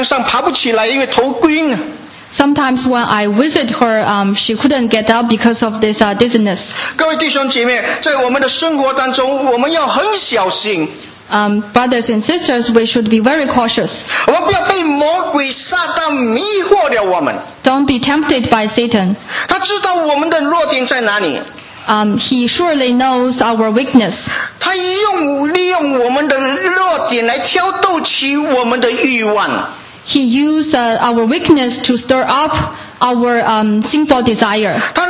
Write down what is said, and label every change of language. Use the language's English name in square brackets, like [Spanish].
[Chinese] 常常我去探她的时候，她就躺在床上爬不起来，因为头晕。 [English] Sometimes when I visit her, she couldn't get up because of this dizziness. [Chinese] 各位弟兄姐妹，在我们的生活当中，我们要很小心。 [English] Brothers and sisters, we should be very cautious. [Chinese] 我们不要被魔鬼撒旦迷惑了我们。 [English] Don't be tempted by Satan. [Chinese] 他知道我们的弱点在哪里。 [English] He surely knows our weakness. [Chinese] 他利用我们的弱点来挑逗起我们的欲望。 [English] He used our weakness to stir up our sinful desire.